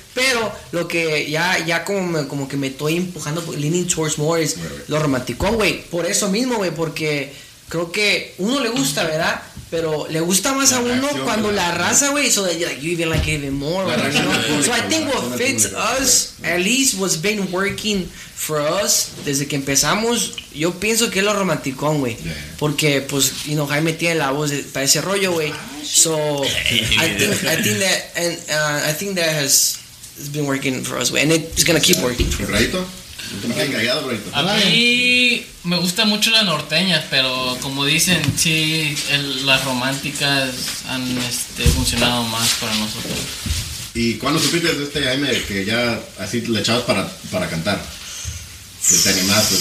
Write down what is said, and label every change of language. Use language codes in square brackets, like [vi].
[es] Pero lo que ya como que me estoy empujando... [en] Leaning towards more is [es] lo romanticón, güey. Por eso mismo, güey. Porque... Creo que uno le gusta, ¿verdad? Pero le gusta más la a uno reacción, cuando la raza, güey. [en] So that like, you even like it even more. Right? [es] Reacción, [en] you know? So I think what fits us, at least what's been working for us [es] desde que empezamos, yo pienso que es lo romanticón, [en] güey. Yeah. [es] Porque, pues, you know, Jaime tiene la voz para ese rollo, güey. [en] So I think that has been working for us, güey. And it's going to keep working for us. [es] A mí me gusta mucho las norteñas, pero como dicen, sí, las románticas han funcionado más para nosotros. ¿Y cuándo supiste de este Jaime que ya así le echabas para cantar? Que te animaste.